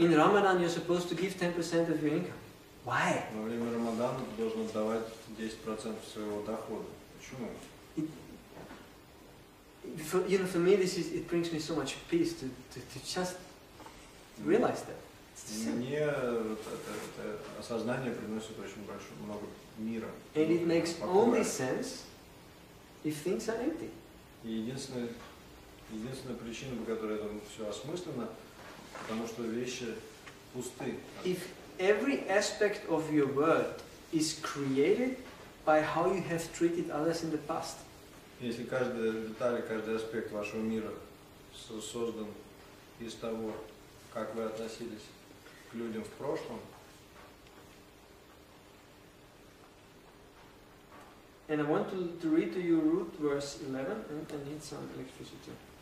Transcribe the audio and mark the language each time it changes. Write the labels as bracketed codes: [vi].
[en] In Ramadan you're supposed to give 10% of your income. Why? [ru] Во время Рамадана ты должен отдавать 10% своего дохода. Почему? [en] For me this is, it brings me so much peace to just realize that. [ru] Мне это осознание приносит очень большое много мира. [en] And it makes only sense if things are empty. [ru] Единственная причина, по которой это все осмысленно, потому что вещи пусты. [en] If every aspect of your world is created by how you have treated others in the past. [ru] Если каждая деталь, каждый аспект вашего мира создан из того, как вы относились к людям в прошлом. [en] And I want to read to you root verse 11, and I need some electricity.